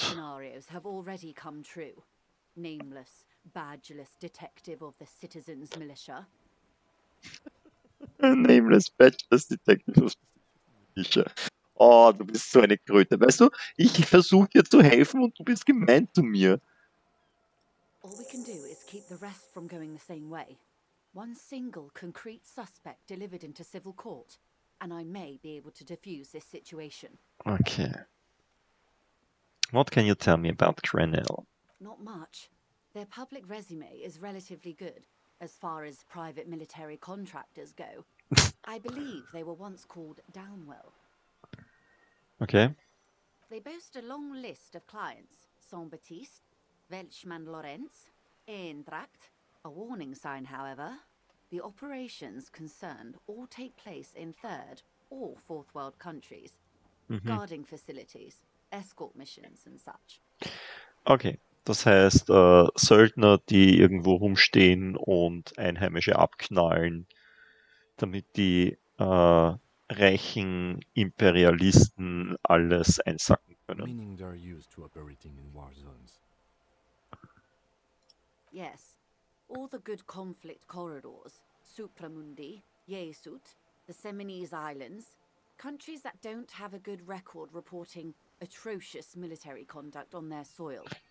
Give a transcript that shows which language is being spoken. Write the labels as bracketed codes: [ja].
[en] Scenarios have already come true. Nameless, badgeless detective of the citizens' militia. Nameless, badgeless detective of the militia. [de] Oh, du bist so eine Kröte. Weißt du, ich versuche dir zu helfen und du bist gemein zu mir. [en] All we can do is keep the rest from going the same way. One single concrete suspect delivered into civil court, and I may be able to defuse this situation. Okay. What can you tell me about Grenell? Not much. Their public resume is relatively good, as far as private military contractors go. I believe they were once called Downwell. Okay. They boast a long list of clients. Saint-Baptiste, Welchmann-Lorenz, Eintracht. A warning sign, however. The operations concerned all take place in third or fourth world countries. Mm-hmm. Guarding facilities, escort missions and such. Okay. [de] Das heißt, Söldner, die irgendwo rumstehen und Einheimische abknallen, damit die reichen Imperialisten alles einsacken können. [en] Meaning they are used to operating in war zones. Yes. All the good conflict corridors, Supramundi, Jesut, the Seminese Islands, countries that don't have a good record reporting atrocious military conduct on their soil.